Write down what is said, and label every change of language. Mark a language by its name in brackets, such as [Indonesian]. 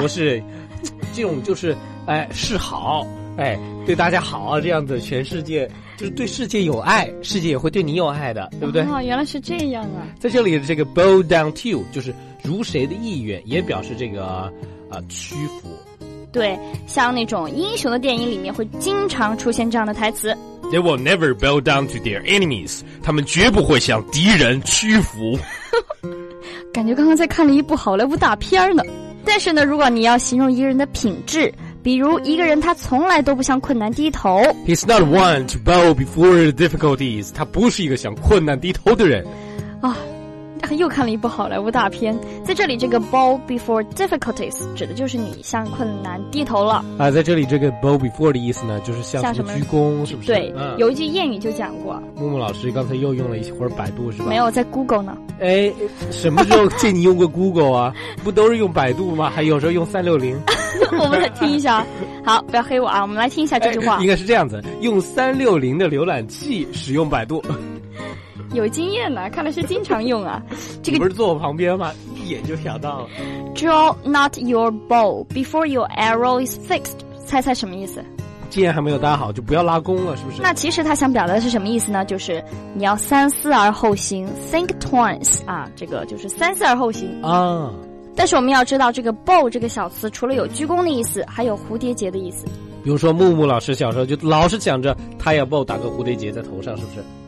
[Chinese] 不是，这种就是哎示好，哎对大家好啊，这样子全世界就是对世界有爱，世界也会对你有爱的，对不对？哦，原来是这样啊。在这里的这个 [English] bow down to [Chinese] 就是如谁的意愿，也表示这个屈服。对，像那种英雄的电影里面会经常出现这样的台词。 [English] They will never bow down to their enemies， [Chinese] 他们绝不会向敌人屈服。感觉刚刚在看了一部好莱坞大片呢。但是呢，如果你要形容一个人的品质，比如一个人他从来都不向困难低头。 [English] He's not one to bow before the difficulties， [Chinese] 他不是一个向困难低头的人。啊，又看了一部好莱坞大片。在这里这个 [English] bow before difficulties [Chinese] 指的就是你向困难低头了啊。在这里这个 [English] bow before [Chinese] 的意思呢，就是向什么鞠躬，是不是？对、有一句谚语就讲过。木木老师刚才又用了一会儿百度，是吧？没有，在 Google 呢。哎，什么时候见你用过 Google 啊？不都是用百度吗？还有时候用360。我们来听一下。好，不要黑我啊，我们来听一下这句话。哎，应该是这样子，用360的浏览器使用百度。有经验呢，看来是经常用啊。这个不是坐我旁边吗？一眼就瞟到了。 [English] Draw not your bow before your arrow is fixed， [Chinese] 猜猜什么意思？箭还没有搭好就不要拉弓了，是不是？那其实他想表达的是什么意思呢？就是你要三思而后行。 [English] Think twice [Chinese] 啊，这个就是三思而后行啊。但是我们要知道这个 bow 这个小词除了有鞠躬的意思，还有蝴蝶结的意思。比如说木木老师小时候就老是想着他要 bow 打个蝴蝶结在头上，是不是？